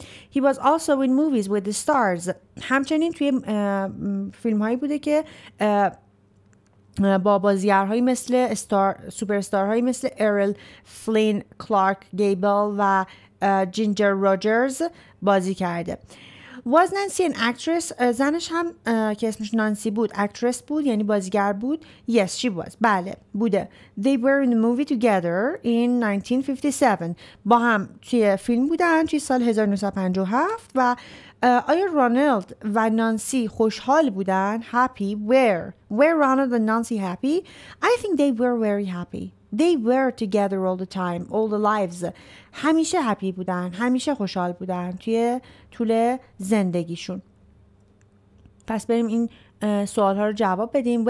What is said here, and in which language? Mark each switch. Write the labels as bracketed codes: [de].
[en] He was also in movies with the stars. [fa] همچنین توی فیلم هایی بوده که با بازیگرهایی مثل سوپر استار هایی مثل ارل فلین، کلارک گیبل و جینجر روجرز بازی کرده. [en] Was Nancy an actress? [fa] زنش هم که اسمش نانسی بود actress بود یعنی بازیگر بود. [en] Yes, she was. [fa] بله بوده. [en] They were in the movie together in 1957. [fa] با هم توی فیلم بودن توی سال 1957 و آیا رونالد و نانسی خوشحال بودن؟ Happy. [en] Were Ronald and Nancy happy? I think they were very happy. They were together all the time, all the lives. [fa] همیشه هپی بودن، همیشه خوشحال بودن توی طول زندگیشون. پس بریم این سوال ها رو جواب بدیم.